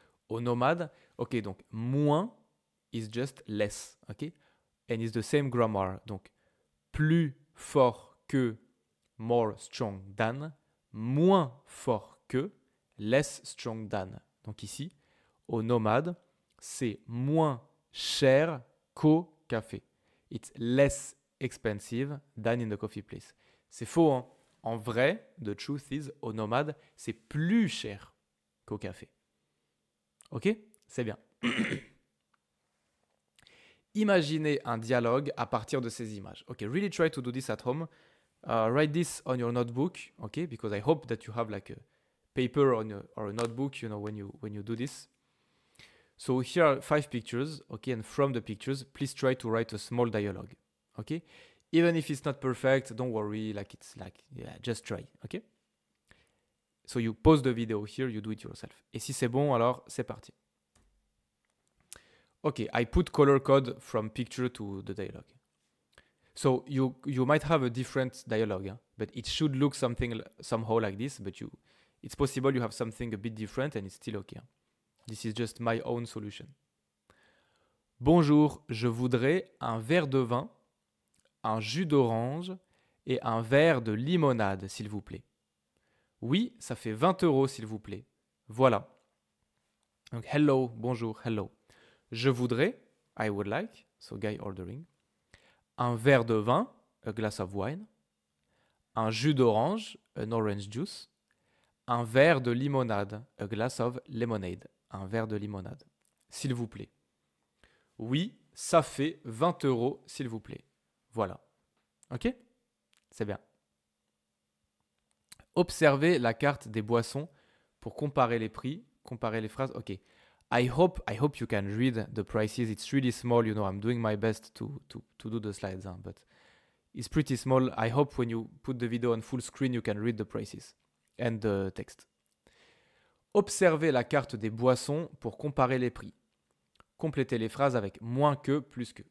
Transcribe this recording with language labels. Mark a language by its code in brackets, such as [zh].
[en] Au Nomade, ok, donc moins is just less, ok, and it's the same grammar, donc plus fort que, more strong than, moins fort que, less strong than. [fr] Donc ici, au Nomade, c'est moins cher qu'au café. [en] It's less expensive than in the coffee place. [fr] C'est faux, hein? En vrai, [en] the truth is, [fr] au Nomade, c'est plus cher qu'au café. Ok? C'est bien. Imaginez un dialogue à partir de ces images. [en] Ok, really try to do this at home. Write this on your notebook, ok? Because I hope that you have like a paper on or a notebook, you know, when you do this. So here are 5 pictures, okay, and from the pictures, please try to write a small dialogue, okay? Even if it's not perfect, don't worry, like it's like, yeah, just try, okay? So you pause the video here, you do it yourself. [fr] Et si c'est bon, alors c'est parti. [en] Okay, I put color code from picture to the dialogue. So you might have a different dialogue, hein, but it should look something somehow like this, but it's possible you have something a bit different and it's still okay, hein. This is just my own solution. [fr] Bonjour, je voudrais un verre de vin, un jus d'orange et un verre de limonade, s'il vous plaît. Oui, ça fait 20 euros, s'il vous plaît. Voilà. Donc, hello, bonjour, hello. [en] Je voudrais, I would like, so guy ordering, un verre de vin, a glass of wine, un jus d'orange, an orange juice, un verre de limonade, a glass of lemonade. [fr] Un verre de limonade, s'il vous plaît. Oui, ça fait 20 euros, s'il vous plaît. Voilà. Ok? C'est bien. Observez la carte des boissons pour comparer les prix, comparer les phrases. Ok. [en] I hope you can read the prices. It's really small, you know. I'm doing my best to do the slides, but it's pretty small. I hope when you put the video on full screen, you can read the prices and the text. [fr] Observez la carte des boissons pour comparer les prix. Complétez les phrases avec moins que, plus que.